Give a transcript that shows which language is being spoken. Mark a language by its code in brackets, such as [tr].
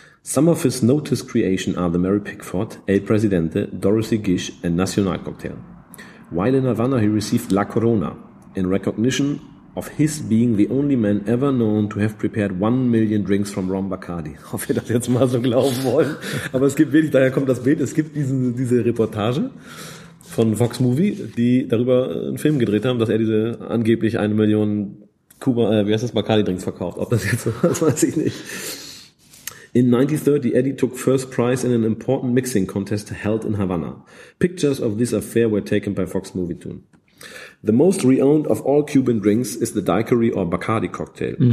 [en] Some of his notice creation are the Mary Pickford, El Presidente, Dorothy Gish, and Nacional Cocktail. While in Havana, he received La Corona in recognition of his being the only man ever known to have prepared 1 million drinks from Rum Bacardi. [de] Ob wir das jetzt mal so glauben wollen. Aber es gibt wirklich, daher kommt das Bild, es gibt diese Reportage von Fox Movie, die darüber einen Film gedreht haben, dass er diese angeblich 1 Million Kuba, wie heißt das, Bacardi-Drinks verkauft. Ob das jetzt so ist, weiß ich nicht. [en] In 1930, Eddie took first prize in an important mixing contest held in Havana. Pictures of this affair were taken by Fox Movie Tune. The most renowned of all Cuban drinks is the Daiquiri or Bacardi cocktail.